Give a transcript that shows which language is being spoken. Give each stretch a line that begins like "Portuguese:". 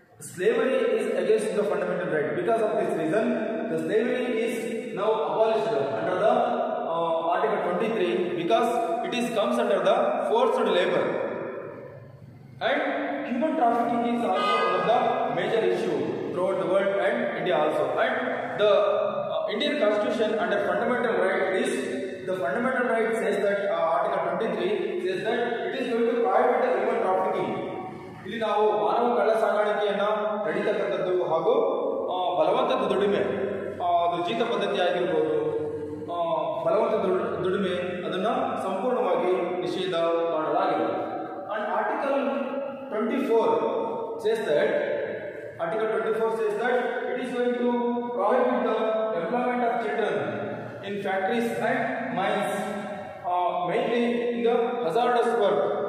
English: Slavery is against the fundamental right. Because of this reason the slavery is now abolished under the article 23, because it is comes under the forced labour. And human trafficking is also the major issue throughout the world and India also. And the Indian Constitution under fundamental right is, the fundamental right says that Article 23 says that it is going to prohibit the human trafficking.
Kannada: ಇಲ್ಲಿ ನಾವು ಮಾನವ ಕಳ್ಳ ಸಾಗಾಣಿಕೆಯನ್ನು ನಡೀತಕ್ಕಂಥದ್ದು ಹಾಗೂ ಬಲವಂತದ ದುಡಿಮೆ, ಅದು ಜೀತ ಪದ್ಧತಿ ಆಗಿರ್ಬೋದು, ಬಲವಂತ ದುಡಿಮೆ ಅದನ್ನ ಸಂಪೂರ್ಣವಾಗಿ ನಿಷೇಧ ಮಾಡಲಾಗಿದೆ.
English: And article 24 says that article 24 says that it is going to prohibit the employment of children in factories and mines mainly in the hazardous work.